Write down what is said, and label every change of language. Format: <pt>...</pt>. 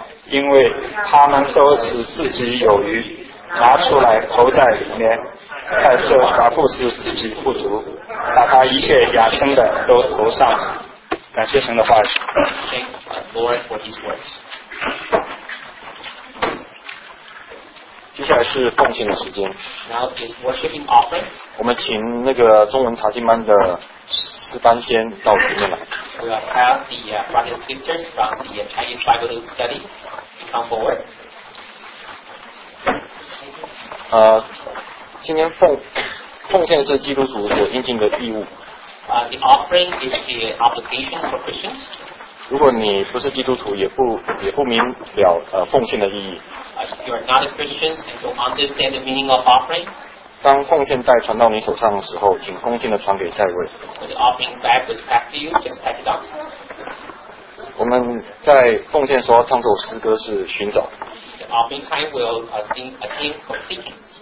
<zh>因为他们都是自己有余，拿出来投在里面，但这寡妇是自己不足，把他一切养生的都投上。感谢神的话语。</zh> <en>Lord for his words.</en> <zh>接下来是奉献的时间。</zh> <en>Now is worshiping offering.</en> <zh>我们请那个中文查经班的师班先到前面来。</zh> <en>We have the brothers and sisters from the Chinese Bible study come forward.</en> <zh>今天奉献是基督徒所应尽的义务。</zh> <en>The offering is the obligation for Christians.</en> <zh>如果你不是基督徒，也不明了奉献的意义。</zh> <en>If you are not a Christian and don't understand the meaning of offering,</en> <zh>当奉献袋传到你手上的时候，请恭敬的传给下一位。</zh> <en>When the offering bag was passed to you, just pass it on.</en> <zh>我们在奉献时候唱首诗歌是寻找。</zh> <en>The offering time will sing a hymn for seeking.</en>